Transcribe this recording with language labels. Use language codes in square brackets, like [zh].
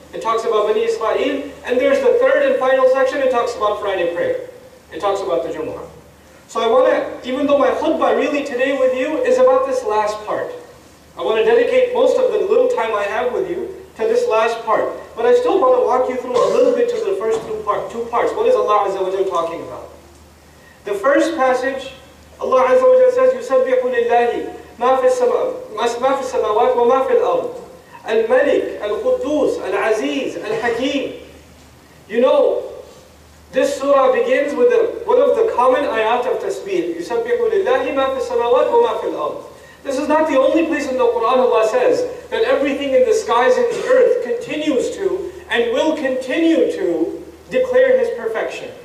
[en] It talks about Bani Israel, and there's the third and final section, it talks about Friday prayer. It talks about the Jumu'ah. So I want to, even though my khutbah really today with you is about this last part, I want to dedicate most of the little time I have with you to this last part. But I still want to walk you through a little bit to the first two parts. What is Allah Azza wa Jalla talking about? The first passage, Allah Azza wa Jalla says, [ar] يُسَبِّحُ لِلَّهِ مَا فِي السَّمَاوَاتِ وَمَا فِي الْأَرْضِ الْمَلِكِ الْقُدُّوسِ الْعَزِيزِ الْحَكِيمِ. [en] You know, this surah begins with one of the common ayat of tasbih. [ar] يُسَبِّحُ لِلَّهِ مَا فِي السَّمَاوَاتِ وَمَا فِي الْأَرْضِ. [en] This is not the only place in the Quran Allah says that everything in the skies and the earth continues to and will continue to declare His perfection.